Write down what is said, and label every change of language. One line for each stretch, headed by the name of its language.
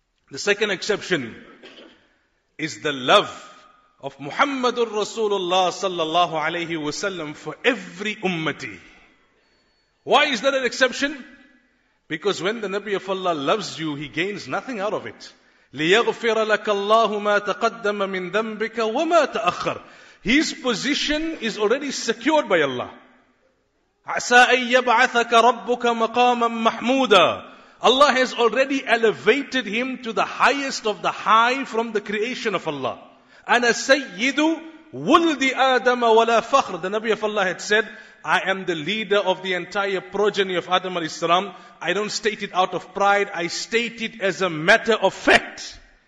English: The second exception is the love of Muhammadur Rasulullah sallallahu alayhi wasallam for every ummati. Why is that an exception? Because when the Nabi of Allah loves you, he gains nothing out of it.
Arabic: لِيَغْفِرَ لَكَ اللَّهُ مَا تَقَدَّمَ مِنْ ذَنْبِكَ وَمَا تَأَخَّرَ.
English: His position is already secured by Allah.
Arabic: عَسَىٰ أَن يَبْعَثَكَ رَبُّكَ مَقَامًا مَحْمُودًا.
English: Allah has already elevated him to the highest of the high from the creation of Allah.
Arabic: أَنَا سَيِّدُ وُلْدِ آدَمَ وَلَا فَخْرَ.
English: The Nabi of Allah had said, I am the leader of the entire progeny of Adam alayhi salam. I don't state it out of pride. I state it as a matter of fact.